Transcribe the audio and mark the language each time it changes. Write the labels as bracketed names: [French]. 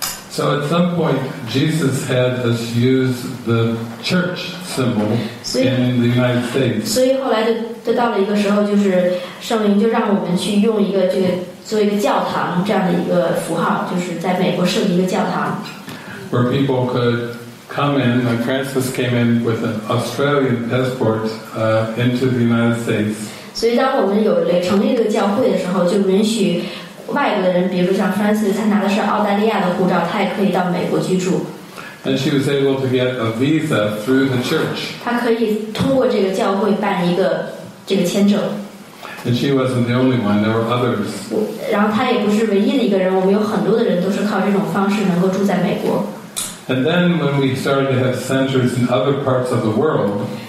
[English] So at some point, Jesus had us use the church symbol in the United States. [Chinese] 所以后来就到了一个时候，就是圣灵就让我们去用一个这个做一个教堂这样的一个符号，就是在美国设立一个教堂。 [English] Where people could come in, like Francis came in with an Australian passport into the United States. [Chinese] 所以当我们有了成立这个教会的时候，就允许外国的人，比如像Francis，他拿的是澳大利亚的护照，他也可以到美国居住。 [English] And she was able to get a visa through the church. [Chinese] 他可以通过这个教会办一个这个签证。 [English] And she wasn't the only one, there were others. [Chinese] 然后他也不是唯一的一个人，我们有很多的人都是靠这种方式能够住在美国。 [English] And then when we started to have centers in other parts of the world,